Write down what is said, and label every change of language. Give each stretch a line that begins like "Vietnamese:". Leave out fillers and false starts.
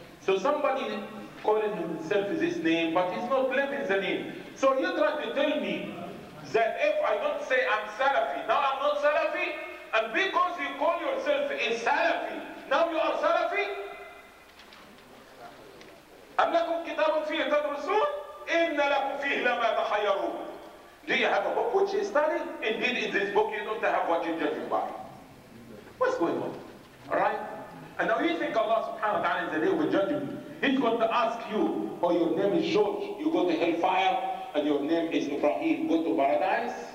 English: So somebody calling himself this name, but he's not living the name. So you try to tell me that if I don't say I'm Salafi, now I'm not Salafi? And because you call yourself a Salafi, now you are Salafi?
Arabic: أَمْ لَكُمْ كِتَابٌ فِيهِ تَدْرُسُونَ إِنَّ لَكُمْ فِيهِ لَمَا تَخَيَّرُونَ
English: Do you have a book which you study? Indeed, in this book you don't have what you're judging by. What's going on? Right? And now you think Allah subhanahu wa ta'ala is the day of judgment. He's going to ask you, oh, your name is George, you go to hellfire, and your name is Ibrahim, go to paradise?